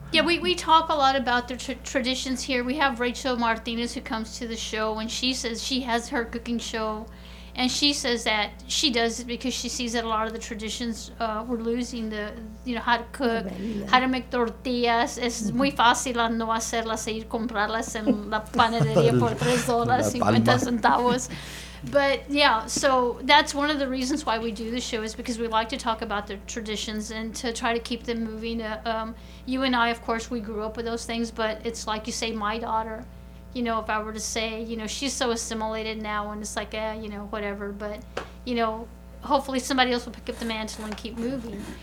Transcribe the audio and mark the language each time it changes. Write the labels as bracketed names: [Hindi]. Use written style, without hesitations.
[English] Yeah, we talk a lot about the traditions here. We have Rachel Martinez who comes to the show, and she says she has her cooking show, and she says that she does it because she sees that a lot of the traditions we're losing, the, you know, how to cook, how to make tortillas. [Spanish] Es muy fácil no hacerlas e ir comprarlas en la panadería por $3.50. [English] But yeah, so that's one of the reasons why we do the show, is because we like to talk about the traditions and to try to keep them moving. You and I, of course, we grew up with those things, but it's like you say, my daughter, you know, if I were to say, you know, she's so assimilated now, and it's like, eh, you know, whatever, but, you know, hopefully somebody else will pick up the mantle and keep moving.